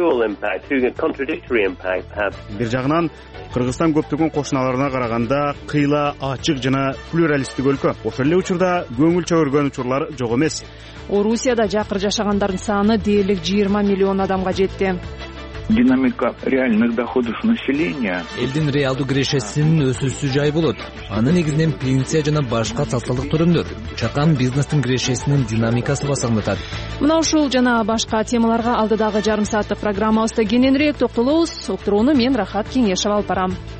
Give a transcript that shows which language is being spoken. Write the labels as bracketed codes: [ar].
[ky] Бир жагынан Кыргызстан көптөгөн кошуналарына караганда кыйла, ачык жана плюралисттик өлкө. Ошол эле учурда көңүл чөгөргөн учурлар жок эмес. Орусияда жакыр жашагандардын саны дээрлик 20 миллион адамга жетти. [ru] Динамика реальных доходов населения. [ky] Элдин реалдуу кирешесинин өсүүсү жай болот. Анын негизинен пенсия жана башка социалдык төлөмдөр, чакан бизнестин кирешесинин динамикасы басылат. Мына ушул жана башка темаларга алдыдагы жарым сааттык программабызда кененирээк токтолобуз. Октурууну мен Рахат Кеңешов алып барам.